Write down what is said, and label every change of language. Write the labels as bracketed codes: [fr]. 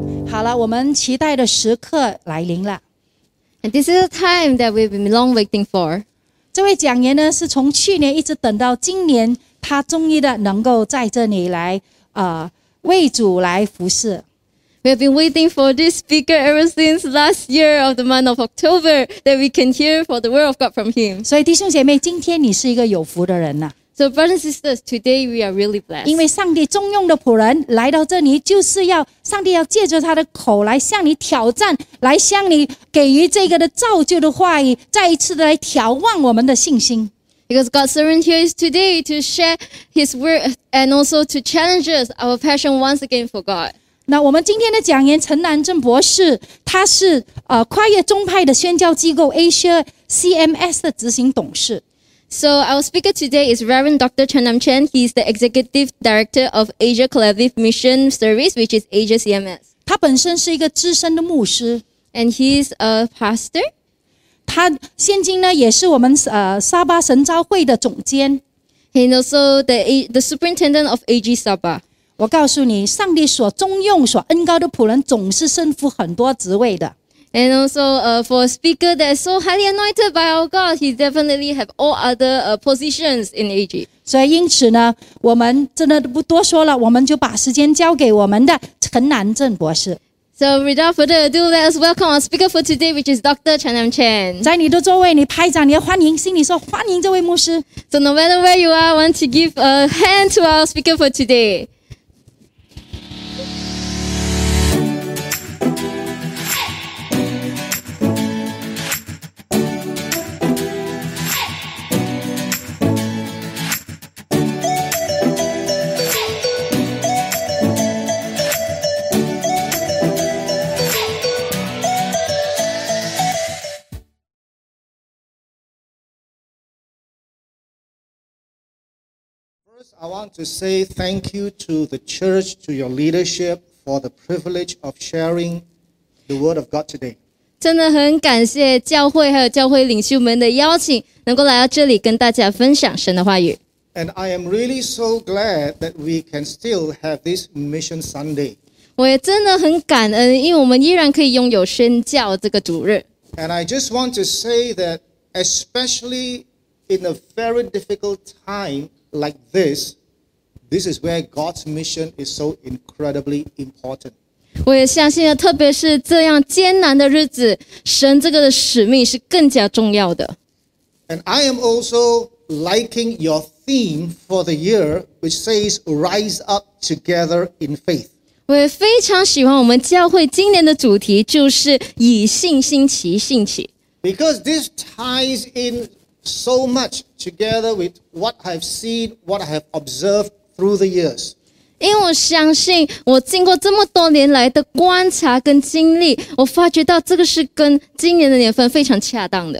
[zh] 好了，我们期待的时刻来临了。 [en] And this is the time that we've been long waiting for. [zh] 这位讲员呢，是从去年一直等到今年，他终于的能够在这里来，为主来服事。 [en] We've been waiting for this speaker ever since last year of the month of October that we can hear for the word of God from him. [zh] 所以弟兄姐妹，今天你是一个有福的人呐。 [en] So brothers and sisters, today we are really blessed. [zh] 因为上帝重用的仆人来到这里，就是要上帝要借着他的口来向你挑战，来向你给予这个的造就的话语，再一次的来挑望我们的信心。 [en] Because God's servant here is today to share his word and also to challenge us our passion once again for God. [zh] 那我们今天的讲员陈南正博士，他是跨越宗派的宣教机构 Asia CMS 的执行董事。 [en] So our speaker today is Reverend Dr. Chen Nam Chen. He is the Executive Director of Asia Collaborative Mission Service, which is Asia CMS. [zh] 他本身是一个资深的牧师。 [en] And he is a pastor. [zh] 他现今呢也是我们沙巴神召会的总监。 [en] And also the superintendent of AG Sabah. [zh] 我告诉你，上帝所重用、所恩膏的仆人总是身负很多职位的。 [en] And also for a speaker that is so highly anointed by our God, he definitely have all other positions in AG. [zh] 所以因此呢，我们真的不多说了，我们就把时间交给我们的陈南正博士。 [en] So without further ado, let us welcome our speaker for today, which is Dr. Chen Nam Chen. [zh] 在你的座位，你拍掌，你要欢迎，心里说欢迎这位牧师。 [en] So no matter where you are, I want to give a hand to our speaker for today. I want to say thank you to the church, to your leadership, for the privilege of sharing the word of God today. [zh] 真的很感谢教会还有教会领袖们的邀请，能够来到这里跟大家分享神的话语。 [en] And I am really so glad that we can still have this Mission Sunday. [zh] 我也真的很感恩，因为我们依然可以拥有宣教这个主日。 [en] And I just want to say that, especially in a very difficult time,Like this, this is where God's mission is so incredibly important. [zh] 我也相信了，特别是这样艰难的日子，神这个的使命是更加重要的。 [en] And I am also liking your theme for the year, which says "Rise up together in faith." [zh] 我也非常喜欢我们教会今年的主题，就是以信心齐信起。 [en] Because this ties in. So much together with what I've seen, what I have observed through the years. [zh] 因为我相信我经过这么多年来的观察跟经历，我发觉到这个是跟今年的年份非常恰当的。